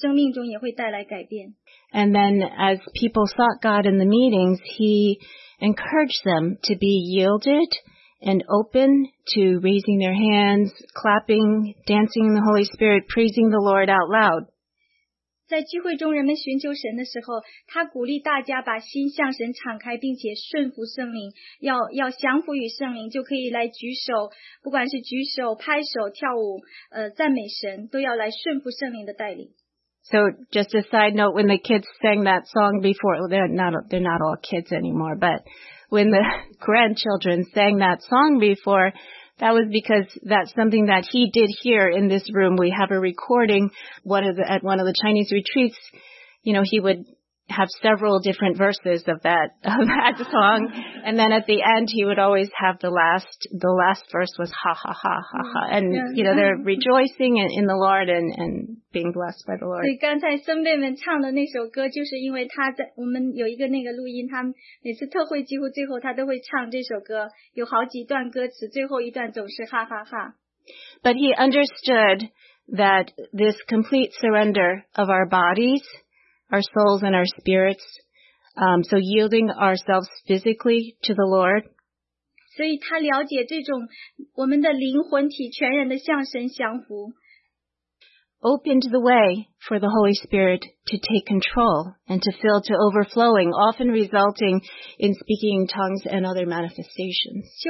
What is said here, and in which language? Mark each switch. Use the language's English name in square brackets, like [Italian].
[Chinese] 所以他教导圣灵充满在我们日常生活中所带来的果效，人们就能够明白，被圣灵充满之后，我们就能够更深地明白圣经，我们就能够在试炼中喜乐，在我们的生命中也会带来改变。 [English] And then as people sought God in the meetings, he encouraged them to be yielded and open to raising their hands, clapping, dancing in the Holy Spirit, praising the Lord out loud. [Chinese] 在聚会中，人们寻求神的时候，他鼓励大家把心向神敞开，并且顺服圣灵，要降服于圣灵，就可以来举手，不管是举手、拍手、跳舞，赞美神，都要来顺服圣灵的带领。 [English] So just a side note, when the kids sang that song before, they're not all kids anymore, but when the grandchildren sang that song before, that was because that's something that he did here in this room. We have a recording at one of the Chinese retreats. You know, he would have several different verses of that song. And then at the end, he would always have the last verse was ha, ha, ha, ha, ha. And, you know, they're rejoicing in the Lord and being blessed by the Lord. [Chinese] 所以刚才孙辈们唱的那首歌，就是因为他在我们有一个那个录音，他每次特会几乎最后他都会唱这首歌，有好几段歌词，最后一段总是哈哈哈。 [English] But he understood that this complete surrender of our bodies, our souls and our spirits, so yielding ourselves physically to the Lord. [Chinese] 所以他了解这种我们的灵魂体全然的向神降服。 [English] Opened the way for the Holy Spirit to take control and to fill to overflowing, often resulting in speaking tongues and other manifestations.